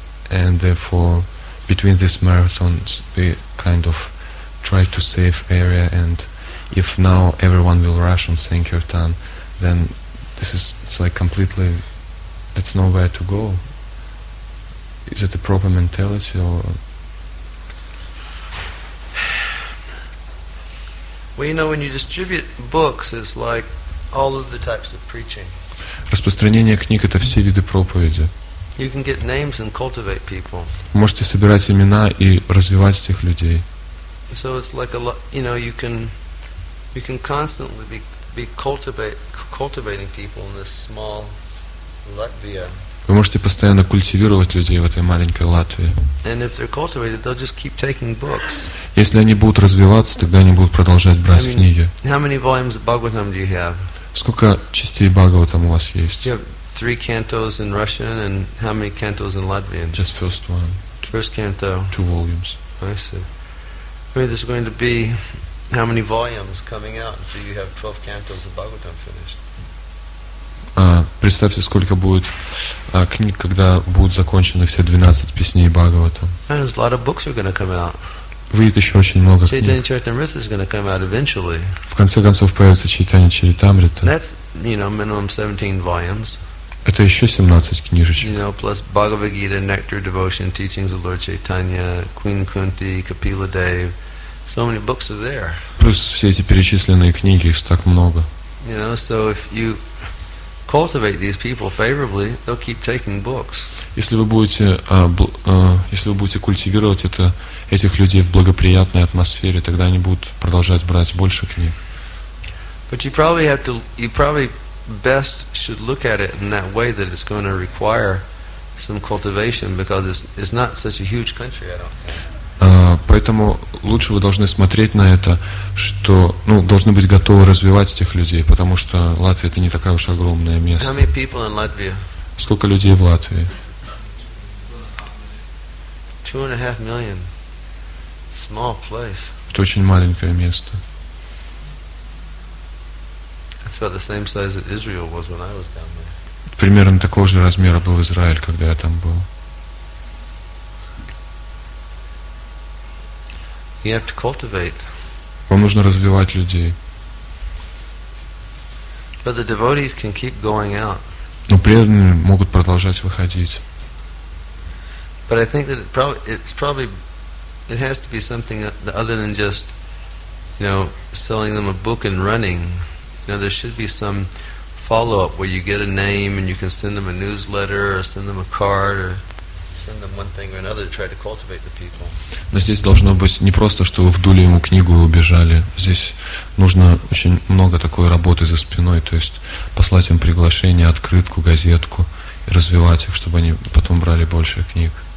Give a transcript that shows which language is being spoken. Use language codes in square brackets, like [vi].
[en] and therefore between these marathons we kind of try to save area, and if now everyone will rush on Sankirtan, then this is, it's like completely, it's nowhere to go. Is it a proper mentality or? Well, you know, when you distribute books, it's like all of the types of preaching. [ru] Распространение книг — это все виды проповеди. [en] You can get names and cultivate people. [ru] Можете собирать имена и развивать этих людей. [en] So it's like a lot, you know, you can constantly be cultivating people in this small Latvia. [ru] Вы можете постоянно культивировать людей в этой маленькой Латвии. [en] And if they're cultivated, they'll just keep taking books. [ru] Если они будут развиваться, тогда они будут продолжать брать книги. [en] How many volumes of Bhagavatam do you have? [ru] Сколько частей Бхагаватам у вас есть? [en] You have 3 cantos in Russian and how many cantos in Latvian? Just first one. First canto. 2 volumes. I see. I mean, there's going to be how many volumes coming out until you have 12 cantos of Bhagavatam finished? [ru] Представьте, сколько будет книг, когда будут закончены все 12 песней Бхагаватам. [en] And there's a lot of books are going to come out. [ru] Выйдет еще очень много книг. [en] Chaitanya Charitamrita is going to come out eventually. [ru] В конце концов появится Chaitanya Charitamrita. [en] That's, you know, minimum 17 volumes. [ru] Это еще 17 книжечек. [en] You know, plus Bhagavad Gita, Nectar, Devotion, Teachings of Lord Chaitanya, Queen Kunti, Kapila Dev. So many books are there. [ru] Плюс все эти перечисленные книги, их так много. [en] You know, so if you cultivate these people favorably, they'll keep taking books. [ru] Если вы будете культивировать этих людей в благоприятной атмосфере, тогда они будут продолжать брать больше книг. [en] But you probably best should look at it in that way, that it's going to require some cultivation, because it's not such a huge country, I don't think. [ru] Поэтому лучше вы должны смотреть на это, что, ну, должны быть готовы развивать этих людей, потому что Латвия — это не такое уж огромное место. [en] How many people in Latvia? [ru] Сколько людей в Латвии? [en] 2.5 million. Small place. [ru] Это очень маленькое место. [en] It's about the same size that Israel was when I was down there. [ru] Примерно такого же размера был Израиль, когда я там был. [en] You have to cultivate. [ru] Вам нужно развивать людей. [en] But the devotees can keep going out. [ru] Но преданные могут продолжать выходить. [en] But I think that it's probably it has to be something other than just, you know, selling them a book and running. You know, there should be some follow-up where you get a name and you can send them a newsletter or send them a card or send them one thing or another to try to cultivate the people. [ru] Но здесь должно быть не просто, что вы вдули ему книгу и убежали. Здесь нужно очень много такой работы за спиной, то есть послать им приглашение, открытку, газетку и развивать их, чтобы они потом брали больше книг.